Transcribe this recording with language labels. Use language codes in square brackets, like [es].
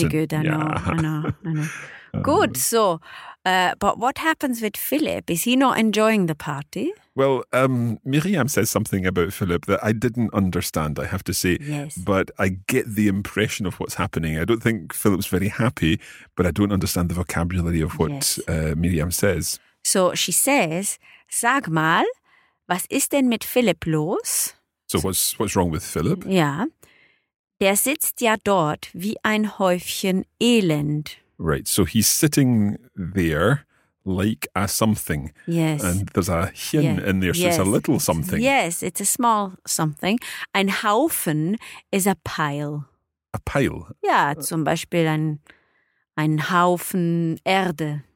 [en] It's pretty good, I know. Good, so, but what happens with Philip? Is he not enjoying the party? Well, Miriam says something about Philip that I didn't understand, I have to say. Yes. But I get the impression of what's happening. I don't think Philip's very happy, but I don't understand the vocabulary of what Miriam says. So she says, [de] sag mal, was ist denn mit Philip los? [en] So what's wrong with Philip? Yeah. [de] Der sitzt ja dort wie ein Häufchen Elend. [en] Right, so he's sitting there like a something. Yes. And there's a hin in there, so it's a little something. Yes, it's a small something. Ein Haufen is a pile. A pile? [de] Yeah, zum Beispiel ein Haufen Erde.